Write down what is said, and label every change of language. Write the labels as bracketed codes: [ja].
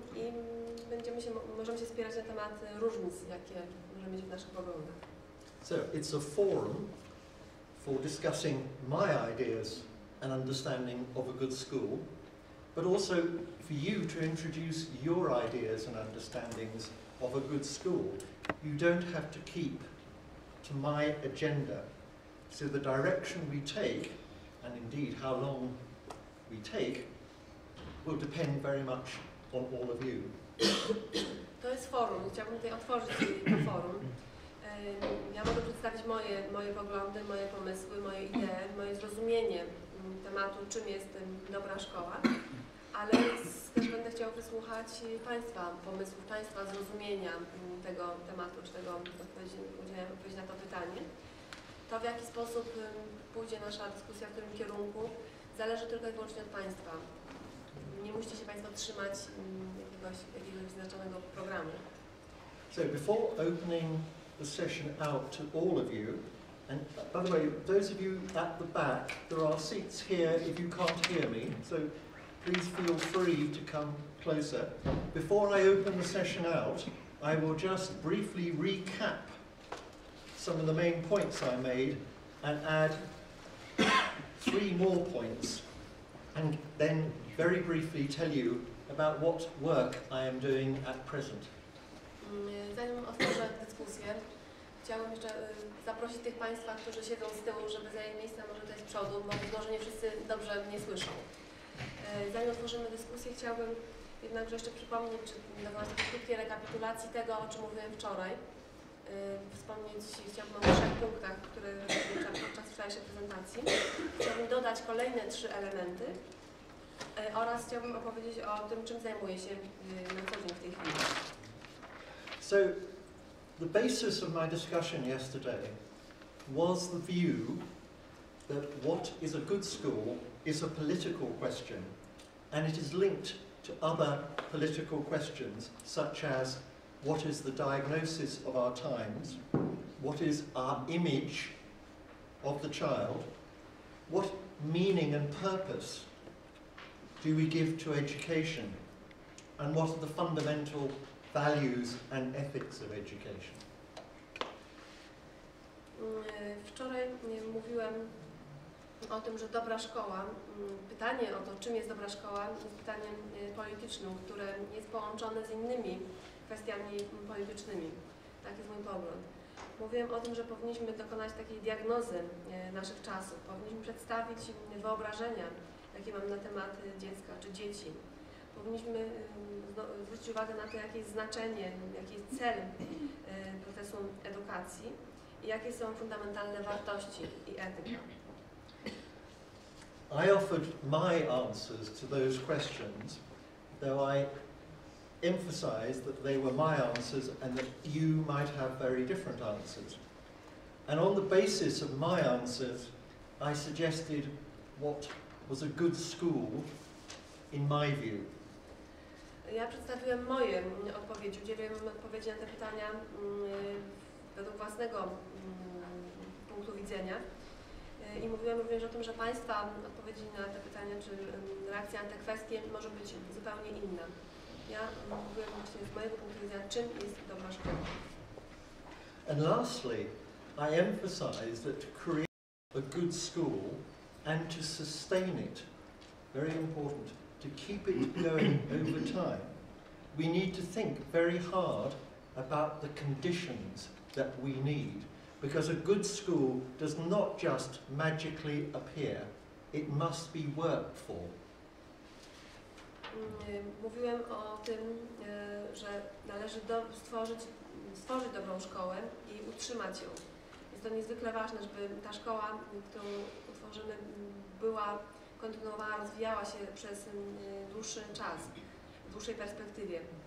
[pl] I będziemy się, możemy się spierać na temat różnic, jakie możemy mieć w naszych poglądach. [en] So, it's a forum for discussing my ideas and understanding of a good school, but also for you to introduce your ideas and understandings of a good school. You don't have to keep to my agenda. So the direction we take, and indeed how long we take, will depend very much on all of you. [pl] To jest forum. Chciałbym tutaj otworzyć to forum. Ja mogę przedstawić moje poglądy, moje pomysły, moje idee, moje zrozumienie tematu, czym jest dobra szkoła, ale też będę chciał wysłuchać Państwa pomysłów, Państwa zrozumienia tego tematu, czy tego odpowiedzi na to pytanie. To, w jaki sposób pójdzie nasza dyskusja w tym kierunku, zależy tylko i wyłącznie od Państwa. Nie musicie się Państwo trzymać jakiegoś wyznaczonego programu. [en] So, before opening the session out to all of you, and by the way, those of you at the back, there are seats here if you can't hear me, so please feel free to come closer. Before I open the session out, I will just briefly recap some of the main points I made and add three more points, and then very briefly tell you about what work I am doing at present. [pl] Zanim otworzę dyskusję, chciałabym jeszcze zaprosić tych Państwa, którzy siedzą z tyłu, żeby zajęli miejsce, może tutaj z przodu, bo może nie wszyscy dobrze mnie słyszą. Zanim otworzymy dyskusję, chciałabym jednakże jeszcze przypomnieć, czy dokonać krótkiej rekapitulacji tego, o czym mówiłem wczoraj. Wspomnieć chciałabym o trzech punktach, które wyczerpałam podczas wczorajszej prezentacji. Chciałabym dodać kolejne trzy elementy oraz chciałabym opowiedzieć o tym, czym zajmuję się na co dzień w tej chwili. [en] So, the basis of my discussion yesterday was the view that what is a good school is a political question, and it is linked to other political questions, such as what is the diagnosis of our times, what is our image of the child, what meaning and purpose do we give to education, and what are the fundamental values and ethics of education. [pl] Wczoraj mówiłem o tym, że dobra szkoła, pytanie o to, czym jest dobra szkoła, jest pytaniem politycznym, które jest połączone z innymi kwestiami politycznymi. Taki jest mój pogląd. Mówiłem o tym, że powinniśmy dokonać takiej diagnozy naszych czasów. Powinniśmy przedstawić wyobrażenia, jakie mam na temat dziecka czy dzieci. Powinniśmy zwrócić uwagę na to, jakie jest znaczenie, jaki jest cel procesu edukacji i jakie są fundamentalne wartości i etyka. [en] I offered my answers to those questions, though I emphasized that they were my answers and that you might have very different answers. And on the basis of my answers, I suggested what was a good school in my view. [pl] Ja przedstawiłem moje odpowiedzi, udzieliłem odpowiedzi na te pytania według własnego punktu widzenia i mówiłem również o tym, że Państwa odpowiedzi na te pytania, czy reakcja na te kwestie może być zupełnie inna. Ja mówiłem właśnie z mojego punktu widzenia, czym jest dobra szkoła. [en] And lastly, I emphasize that to create a good school and to sustain it, very important, to keep it going over time, we need to think very hard about the conditions that we need, because a good school does not just magically appear, it must be worked for. [pl] Mówiłem o tym, że należy stworzyć dobrą szkołę i utrzymać ją. Jest to niezwykle ważne, żeby ta szkoła, którą utworzymy, była kontynuowała, rozwijała się przez dłuższy czas, w dłuższej perspektywie.